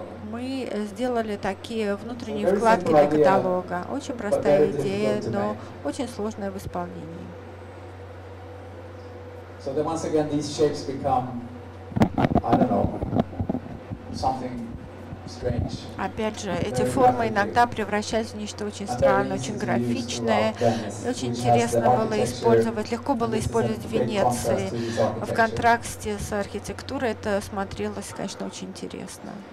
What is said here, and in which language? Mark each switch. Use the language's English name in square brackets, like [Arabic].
[Russian] Мы сделали такие внутренние вкладки для каталога. Очень простая идея, но очень сложная в исполнении. [English] So then once again these shapes become, I don't know, something strange. [Russian] Опять же, эти формы иногда превращаются в нечто очень странное, очень графичное. Очень интересно было использовать, легко было использовать в Венеции в контрасте с архитектурой. Это смотрелось, конечно, очень интересно.